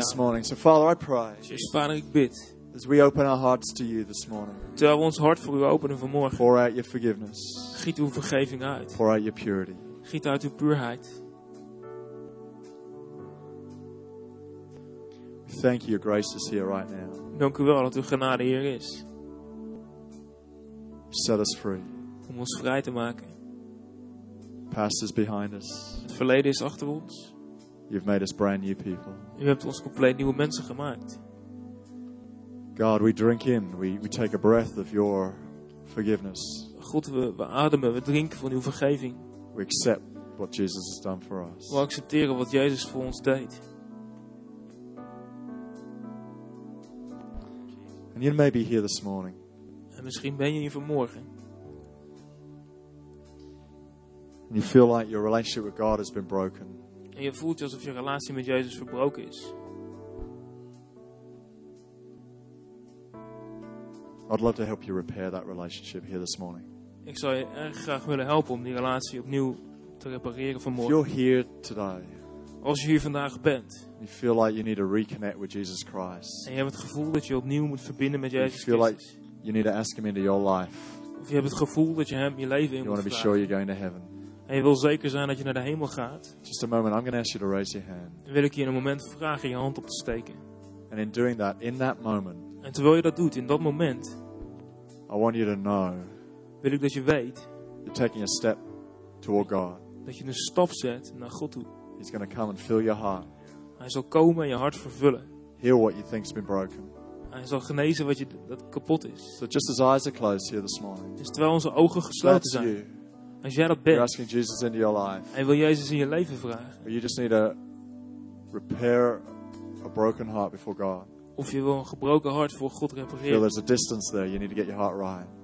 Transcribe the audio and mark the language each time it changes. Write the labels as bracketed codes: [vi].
[en] This morning. So Father, I pray. [nl] Jezus, Vader, ik bid. [en] As we open our hearts to you this morning. [nl] Terwijl we ons hart voor u openen vanmorgen. [en] Pour out your forgiveness. [nl] Giet uw vergeving uit. [en] Pour out your purity. [nl] Giet uit uw puurheid. [en] Thank you, your grace is here right now. [nl] Dank u wel dat uw genade hier is. [en] Set us free. [nl] Om ons vrij te maken. [en] Past is behind us. [nl] Het verleden is achter ons. [en] You've made us brand new people. [nl] U hebt ons compleet nieuwe mensen gemaakt. [en] God, we drink in. We take a breath of your forgiveness. [nl] God, we ademen, we drinken van uw vergeving. [en] We accept what Jesus has done for us. [nl] We accepteren wat Jezus voor ons deed. [en] And you may be here this morning. [nl] En misschien ben je hier vanmorgen. [en] And you feel like your relationship with God has been broken. [nl] En je voelt alsof je relatie met Jezus verbroken is. [en] I'd love to help you repair that relationship here this morning. [nl] Ik zou je erg graag willen helpen om die relatie opnieuw te repareren vanmorgen. [en] If you're here today. [nl] Als je hier vandaag bent. [en] You feel like you need to reconnect with Jesus Christ. [nl] En je hebt het gevoel dat je opnieuw moet verbinden met Jezus Christus. [en] You feel like you need to ask him into your life. [nl] Of je hebt het gevoel dat je hem je leven in moet vragen. [en] You want to be sure you're going to heaven. [nl] En je wil zeker zijn dat je naar de hemel gaat. [en] Just a moment, I'm going to ask you to raise your hand. [nl] Dan wil ik je in een moment vragen je hand op te steken. [en] And in doing that, in that moment. [nl] En terwijl je dat doet, in dat moment. [en] I want you to know. [nl] Wil ik dat je weet. [en] You're taking a step toward God. [nl] Dat je een stap zet naar God toe. [en] He's going to come and fill your heart. [nl] Hij zal komen en je hart vervullen. [en] Heal what you think's been broken. [nl] Hij zal genezen wat je dat kapot is. [en] So just as eyes are closed here this morning. [nl] Dus terwijl onze ogen gesloten zijn. [en] You. [nl] Als jij dat bent, [en] you're asking Jesus into your life. [nl] En wil Jezus in je leven vragen. [en] Or you just need to repair a broken heart before God. [nl] Of je wil een gebroken hart voor God repareren. [en] Feel there's a distance there. You need to get your heart right.